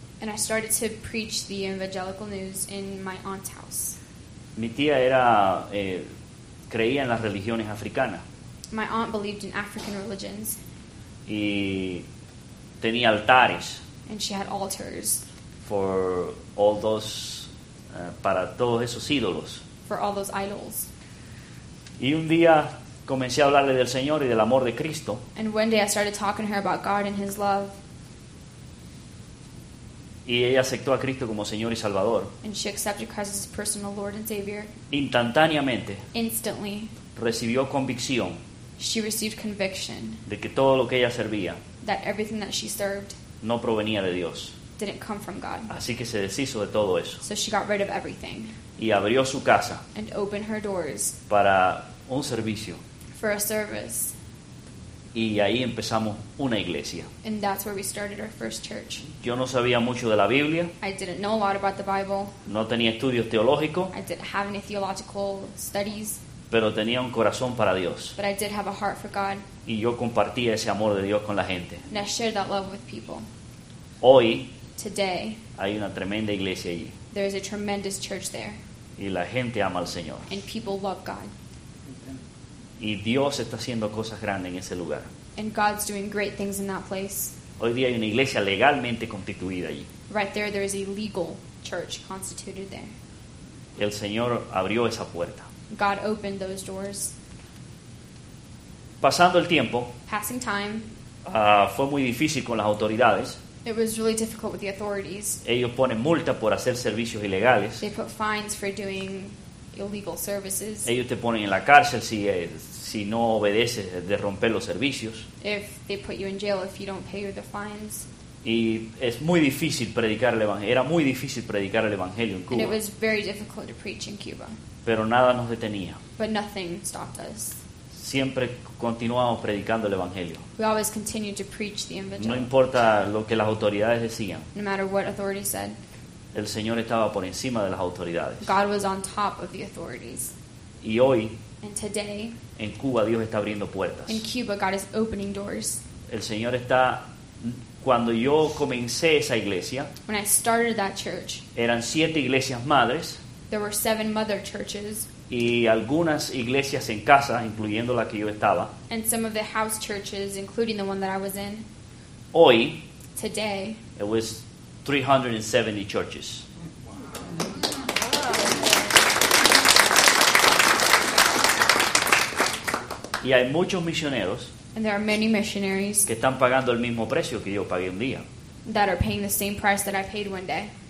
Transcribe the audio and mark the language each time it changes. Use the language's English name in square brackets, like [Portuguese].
[English] And I started to preach the evangelical news in my aunt's house. [Spanish] Mi tía era creía en las religiones africanas. [English] My aunt believed in African religions. [Spanish] Y tenía altares. [English] And she had altars. For all those [Spanish] para todos esos ídolos. [English] For all those idols. [Spanish] Y un día comencé a hablarle del Señor y del amor de Cristo. [English] And one day I started talking to her about God and His love. [Spanish] Y ella aceptó a Cristo como Señor y Salvador. [English] And she accepted Christ as his personal Lord and Savior. [Spanish] Instantáneamente. [English] Instantly. [Spanish] Recibió convicción. [English] She received conviction. [Spanish] De que todo lo que ella servía. [English] That everything that she served. [Spanish] No provenía de Dios. [English] Didn't come from God. [Spanish] Así que se deshizo de todo eso. [English] So she got rid of everything. [Spanish] Y abrió su casa. [English] And opened her doors. [Spanish] Para un servicio. [English] For a service. [Spanish] Y ahí empezamos una iglesia. [English] And that's where we started our first church. [Spanish] Yo no sabía mucho de la Biblia. [English] I didn't know a lot about the Bible. [Spanish] No tenía estudios teológicos. [English] I didn't have any theological studies. [Spanish] Pero tenía un corazón para Dios. [English] But I did have a heart for God. [Spanish] Y yo compartía ese amor de Dios con la gente. [English] And I shared that love with people. [Spanish] Hoy, [English] today, [Spanish] hay una tremenda iglesia allí. [English] There is a tremendous church there. [Spanish] Y la gente ama al Señor. [English] And people love God. [Spanish] Y Dios está haciendo cosas grandes en ese lugar. [English] And God's doing great things in that place. [Spanish] Hoy día hay una iglesia legalmente constituida allí. [English] Right there, there is a legal church constituted there. [Spanish] El Señor abrió esa puerta. [English] God opened those doors. [Spanish] Pasando el tiempo. [English] Passing time. [Spanish] Fue muy difícil con las autoridades. [English] It was really difficult with the authorities. [Spanish] Ellos ponen multa por hacer servicios ilegales. [English] They put fines for doing illegal services. [Spanish] Ellos te ponen en la cárcel si no obedeces de romper los servicios. [English] If they put you in jail if you don't pay the fines. [Spanish] Y es muy difícil predicar el evangelio. Era muy difícil predicar el evangelio en Cuba. [English] And it was very difficult to preach in Cuba. [Spanish] Pero nada nos detenía. [English] But nothing stopped us. [Spanish] Siempre continuamos predicando el evangelio. [English] We always continued to preach the evangelio. [Spanish] No importa lo que las autoridades decían. [English] No matter what authorities said. [Spanish] El Señor estaba por encima de las autoridades. [English] God was on top of the authorities. [Spanish] Y hoy, [English] and today, [Spanish] en Cuba Dios está abriendo puertas. [English] In Cuba, God is opening doors. [Spanish] El Señor está... Cuando yo comencé esa iglesia, [English] when I started that church, [Spanish] eran siete iglesias madres. [English] There were seven mother churches. [Spanish] Y algunas iglesias en casa, incluyendo la que yo estaba. [English] And some of the house churches, including the one that I was in. [Spanish] Hoy, [English] today, it was 370 churches. [Spanish] Y hay muchos misioneros. [English] And there are many missionaries [Spanish] que están pagando el mismo precio que yo pagué un día. [English] That are paying the same price that I paid one day.